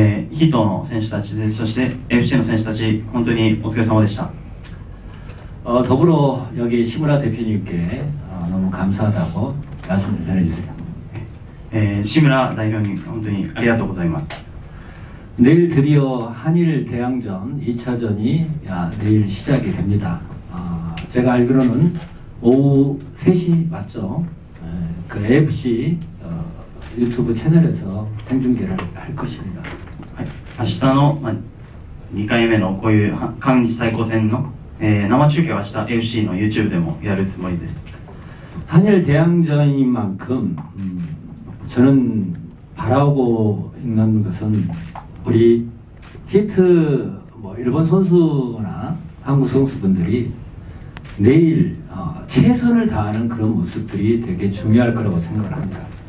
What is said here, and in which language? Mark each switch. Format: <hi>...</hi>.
<ja>ヒートの選手たちです。そして FC の選手たち、本当にお疲れ様でした。</ja> <ko>더불어여기시무라대표님께너무감사하다고말씀을전해주세요</ko> <ja>시무라대표님本当にありがとうございます</ja> <ko>내일드디어한일대항전2차전이내일시작이됩니다제가알기로는오후3시맞죠그 FC 유튜브채널에서생중계를할것입니다</ko> <ja>明日の2回目のこういう韓日対抗戦の生中継は明日 FC の YouTube でもやるつもりです</ja> <ko>한일대항전인만큼저는바라보고있는것은우리히트뭐일본선수나한국선수분들이내일최선을다하는그런모습들이되게중요할거라고생각을합니다</ko>